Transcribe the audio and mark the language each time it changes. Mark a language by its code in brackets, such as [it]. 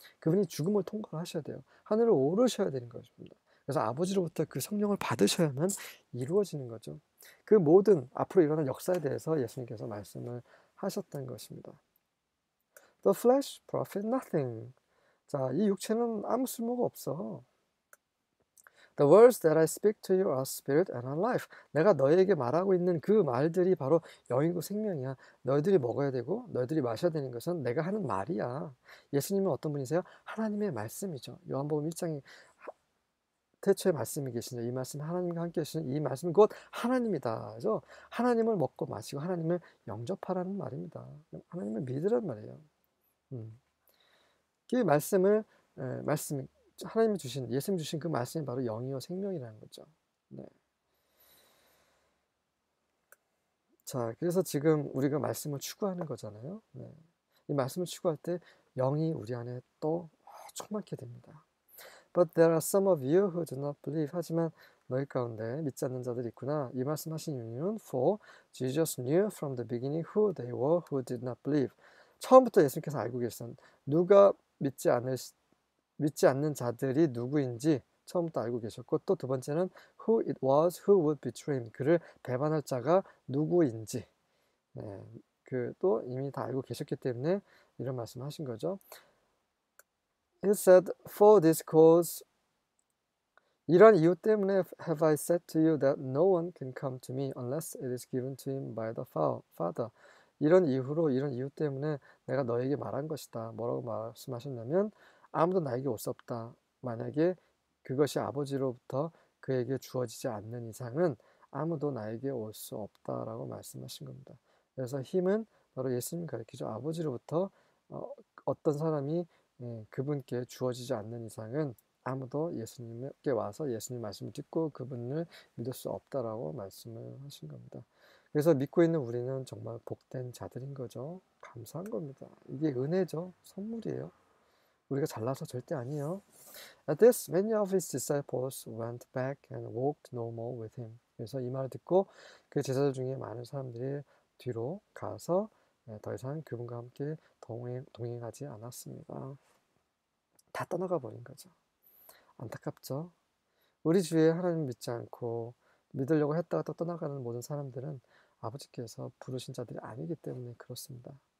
[ko] 그분이 죽음을 통과하셔야 돼요. 하늘을 오르셔야 되는 것입니다. 그래서 아버지로부터 그 성령을 받으셔야만 이루어지는 거죠. 그 모든 앞으로 일어날 역사에 대해서 예수님께서 말씀을 하셨던 것입니다. [en] The flesh profit nothing. [ko] 자, 이 육체는 아무 쓸모가 없어. [en] The words that I speak to you are spirit and are life. [ko] 내가 너에게 말하고 있는 그 말들이 바로 영이고 생명이야. 너희들이 먹어야 되고 너희들이 마셔야 되는 것은 내가 하는 말이야. 예수님은 어떤 분이세요? 하나님의 말씀이죠. 요한복음 1장에 태초에 말씀이 계시냐. 이 말씀 하나님과 함께 계시는 이 말씀 곧 하나님이다. 그래서 하나님을 먹고 마시고 하나님을 영접하라는 말입니다. 하나님을 믿으란 말이에요. 그 말씀을 말씀 하나님이 주신 예수님 주신 그 말씀이 바로 영이요 생명이라는 거죠. 네. 자, 그래서 지금 우리가 말씀을 추구하는 거잖아요. 네. 이 말씀을 추구할 때 영이 우리 안에 또 충만케 됩니다. [en] But there are some of you who do not believe. [ko] 하지만 너희 가운데 믿지 않는 자들이 있구나. 이 말씀하신 이유는 [en] For Jesus knew from the beginning who they were who did not believe. [ko] 처음부터 예수님께서 알고 계신 누가 믿지 않는 자들이 누구인지 처음부터 알고 계셨고 또두 번째는 [en] Who it was who would betray him. [ko] 그를 배반할 자가 누구인지 네, 그또 이미 다 알고 계셨기 때문에 이런 말씀하신 거죠. [en] He said, "For this cause, [ko] 이런 이유 때문에 [en] have I said to you that no one can come to me unless it is given to him by the Father." [ko] 이런 이유로 이런 이유 때문에 내가 너에게 말한 것이다. 뭐라고 말씀하셨냐면 아무도 나에게 올수 없다. 만약에 그것이 아버지로부터 그에게 주어지지 않는 이상은 아무도 나에게 올수 없다라고 말씀하신 겁니다. 그래서 힘은 바로 예수님 가르치죠. 아버지로부터 어떤 사람이 그분께 주어지지 않는 이상은 아무도 예수님께 와서 예수님 말씀을 듣고 그분을 믿을 수 없다라고 말씀을 하신 겁니다. 그래서 믿고 있는 우리는 정말 복된 자들인 거죠. 감사한 겁니다. 이게 은혜죠. 선물이에요. 우리가 잘나서 절대 아니에요. [en] At this, many of his disciples went back and walked no more with him. [ko] 그래서 이 말을 듣고 그 제자들 중에 많은 사람들이 뒤로 가서 더 이상 그분과 함께 동행하지 않았습니다. 다 떠나가 버린 거죠. 안타깝죠. 우리 주위에 하나님 믿지 않고 믿으려고 했다가 또 떠나가는 모든 사람들은 아버지께서 부르신 자들이 아니기 때문에 그렇습니다.